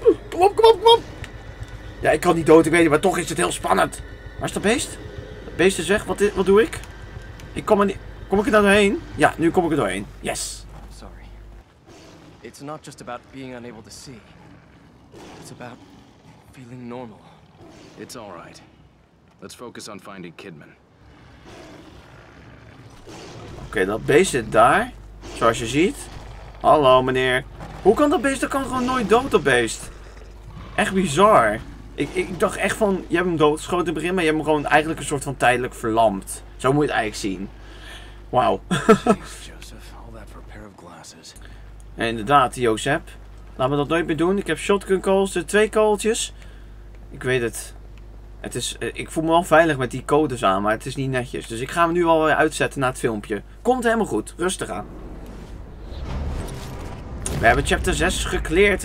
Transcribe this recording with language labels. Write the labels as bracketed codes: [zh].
[nl] Kom op, kom op, kom op. Ja, ik kan niet dood, ik weet het, maar toch is het heel spannend. Waar is dat beest? Dat beest is weg, wat doe ik? Ik kom er niet, kom ik er doorheen? Ja, nu kom ik er doorheen. Yes. Sorry. [en] It's not just about being unable to see. It's about feeling normal. It's all right. Let's focus on finding Kidman. [nl] Oké, dat beest zit daar. Zoals je ziet. Hallo meneer. Hoe kan dat beest? Dat kan gewoon nooit dood, dat beest. Echt bizar. Ik dacht echt van, je hebt hem doodgeschoten in het begin, maar je hebt hem gewoon eigenlijk een soort van tijdelijk verlamd. Zo moet je het eigenlijk zien. Wauw. [en] Joseph, all that for a pair of glasses. [nl] En inderdaad, Joseph. Laat me dat nooit meer doen. Ik heb shotgun calls, er zijn twee kooltjes. Ik weet het. Het is, ik voel me wel veilig met die codes aan, maar het is niet netjes. Dus ik ga hem nu al weer uitzetten na het filmpje. Komt helemaal goed. Rustig aan. We hebben chapter 6 gekleerd.